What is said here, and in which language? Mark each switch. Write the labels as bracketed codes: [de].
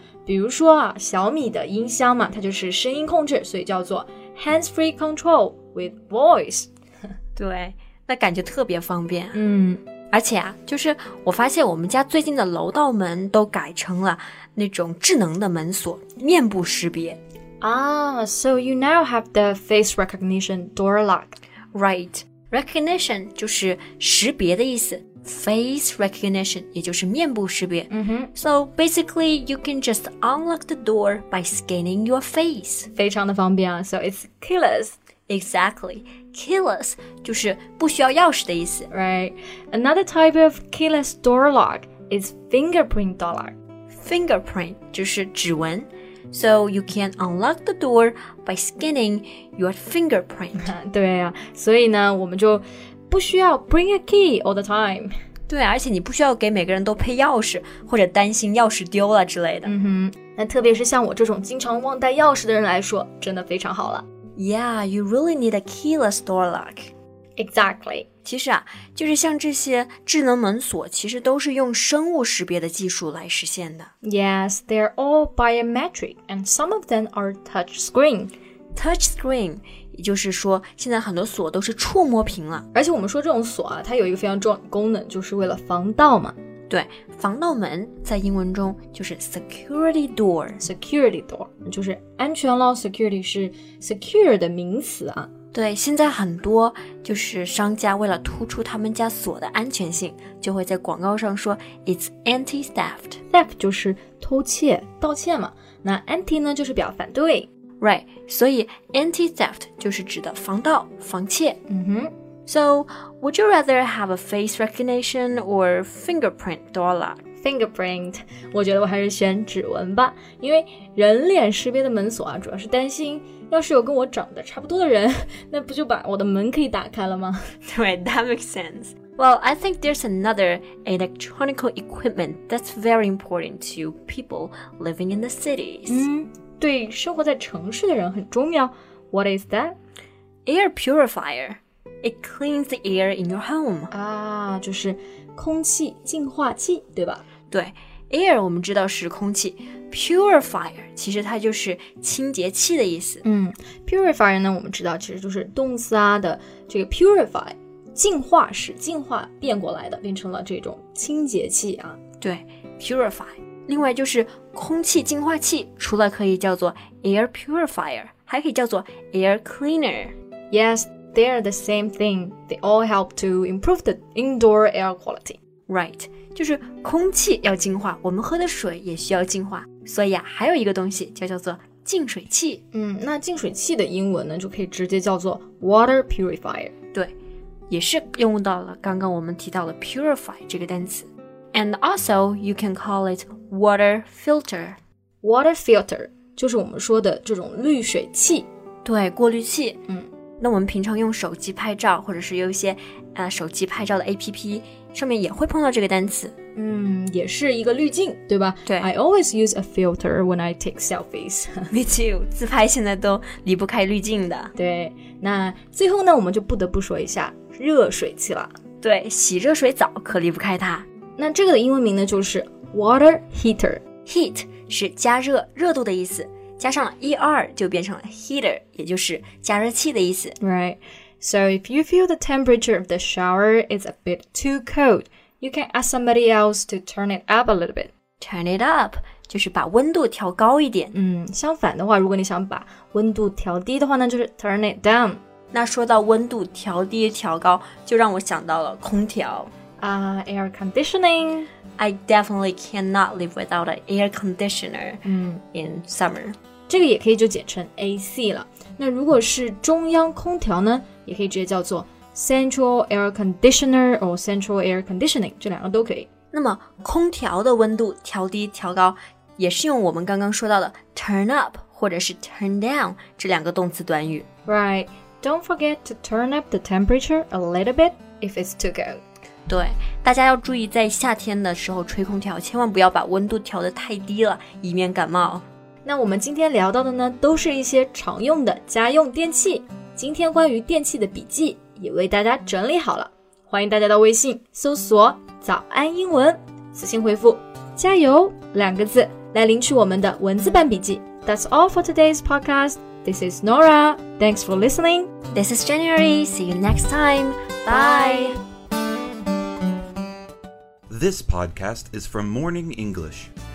[zh] 比如说啊，小米的音箱嘛，它就是声音控制，所以叫做 [en] hands free control with voice。 [zh] 对，那感觉特别方便。嗯，而且啊，就是我发现我们家最近的楼道门都改成了那种智能的门锁，面部识别。 [en] So you now have the face recognition door lock. Right. [zh] Recognition 就是识别的意思。Face recognition 也就是面部识别。 Mm-hmm. [en] So basically, you can just unlock the door by scanning your face. [zh] 非常的方便啊。 [en] So it's keyless. Exactly. [zh] Keyless 就是不需要钥匙的意思。 [en] Right. Another type of keyless door lock is fingerprint door lock. [zh] Fingerprint 就是指纹。 [en] So you can unlock the door by scanning your fingerprint. [zh] 对啊，所以呢，我们就不需要 [en] bring a key all the time. [zh] 对，而且你不需要给每个人都配钥匙，或者担心钥匙丢了之类的。嗯哼，那特别是像我这种经常忘带钥匙的人来说，真的非常好了。 [en] Yeah, you really need a keyless door lock. Exactly. [zh] 其实啊，就是像这些智能门锁，其实都是用生物识别的技术来实现的。 [en] Yes, they're all biometric, and some of them are touch screen. Touch screen. [zh] 也就是说现在很多锁都是触摸屏了，而且我们说这种锁啊，它有一个非常重要的功能，就是为了防盗嘛。对，防盗门在英文中就是 security door。 security door 就是安全咯， security 是 secure 的名词啊。对，现在很多就是商家为了突出他们家锁的安全性，就会在广告上说 [en] it's anti-theft。 [zh] theft 就是偷窃盗窃嘛，那 anti 呢就是表反对。 Right, 所以 anti-theft 就是指的防盗、防窃。 Mm-hmm. [en] So, would you rather have a face recognition or fingerprint door lock? [zh] Fingerprint, 我觉得我还是选指纹吧，因为人脸识别的门锁啊，主要是担心要是有跟我长得差不多的人，那不就把我的门可以打开了吗？ [en] 对， that makes sense. Well, I think there's another electronic equipment that's very important to people living in the cities. Mm-hmm. [zh] 对生活在城市的人很重要。 [en] What is that? Air purifier. It cleans the air in your home. [zh] 啊，就是空气净化器，对吧？对， air 我们知道是空气， purifier 其实它就是清洁器的意思。嗯， purifier 呢，我们知道其实就是动词啊的这个 purify， 净化，使净化变过来的，变成了这种清洁器啊。对， purify。另外就是空气净化器，除了可以叫做 air purifier, 还可以叫做 air cleaner. [en] Yes, they are the same thing. They all help to improve the indoor air quality. [zh] Right, 就是空气要净化，我们喝的水也需要净化。所以啊，还有一个东西就叫做净水器。嗯，那净水器的英文呢，就可以直接叫做 water purifier. 对，也是用到了刚刚我们提到的 purify 这个单词。 [en] And also, you can call it water filter. [zh] Water filter 就是我们说的这种滤水器。对，过滤器。嗯，那我们平常用手机拍照，或者是有一些手机拍照的 APP 上面也会碰到这个单词。嗯，也是一个滤镜，对吧？对。 [en] I always use a filter when I take selfies. Me too. [zh] 自拍现在都离不开滤镜的。对。那最后呢，我们就不得不说一下热水器了。对，洗热水澡可离不开它。那这个的英文名呢，就是 water heater. Heat 是加热、热度的意思，加上 er 就变成了 heater, 也就是加热器的意思。 [en] Right. So if you feel the temperature of the shower is a bit too cold, you can ask somebody else to turn it up a little bit. [zh] Turn it up 就是把温度调高一点。嗯，相反的话，如果你想把温度调低的话呢，就是 turn it down. 那说到温度调低、调高，就让我想到了空调。 [en] Air conditioning. I definitely cannot live without an air conditioner in summer. [zh] 这个也可以就简称 AC 了。那如果是中央空调呢，也可以直接叫做 [en] central air conditioner or central air conditioning, [zh] 这两个都可以。那么空调的温度调低调高，也是用我们刚刚说到的 turn up 或者是 turn down 这两个动词短语。 [en] Right. Don't forget to turn up the temperature a little bit if it's too cold. [zh] 对，大家要注意在夏天的时候吹空调，千万不要把温度调得太低了，以免感冒。那我们今天聊到的呢，都是一些常用的家用电器。今天关于电器的笔记也为大家整理好了，欢迎大家到微信搜索早安英文，私信回复加油两个字来领取我们的文字版笔记。 [en] That's all for today's podcast. This is Nora. Thanks for listening. This is January. See you next time. Bye. This podcast is from Morning English.